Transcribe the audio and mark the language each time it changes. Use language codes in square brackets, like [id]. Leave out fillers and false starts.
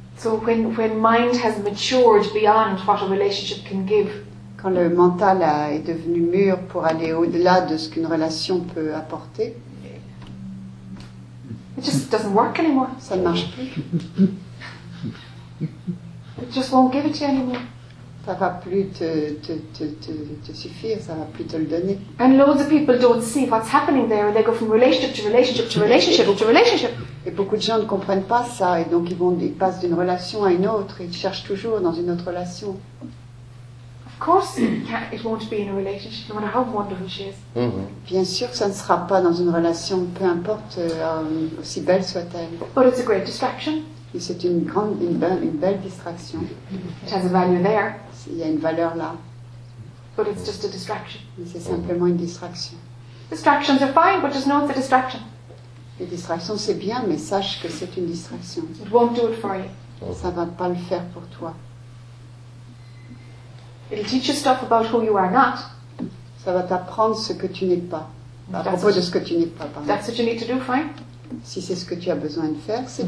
[en] So when mind has matured beyond what a relationship can give, [fr] quand le mental est devenu mûr pour aller au-delà de ce qu'une relation peut apporter, [en] it just doesn't work anymore. [fr] Ça ne marche plus. [en] It just won't give it to you anymore. [fr] Ça va plus te suffire, ça va plus te le donner. [en] And loads of people don't see what's happening there, and they go from relationship to relationship to relationship to relationship. [fr] Et beaucoup de gens ne comprennent pas ça, et donc ils passent d'une relation à une autre, et ils cherchent toujours dans une autre relation. [en] Of course, it won't be in a relationship, no matter how wonderful she is. Mm-hmm. [fr] Bien sûr, ça ne sera pas dans une relation, peu importe aussi belle soit-elle. [en] But it's a great distraction. [fr] Et c'est une belle distraction. [en] It has a value there. [fr] Il y a une valeur là. [en] But it's just a distraction. [fr] Mais c'est simplement une distraction. [en] Distractions are fine, but just know it's a distraction. [fr] Les distractions, c'est bien, mais sache que c'est une distraction. [en] It won't do it for you. [fr] Ça va pas le faire pour toi. [en] It'll teach you stuff about who you are not. [fr] Ça va t'apprendre ce que tu n'es pas. À [en] that's [fr] propos de ce que tu n'es pas. [en] That's what you need to do, fine. [fr] Si c'est ce que tu as besoin de faire, c'est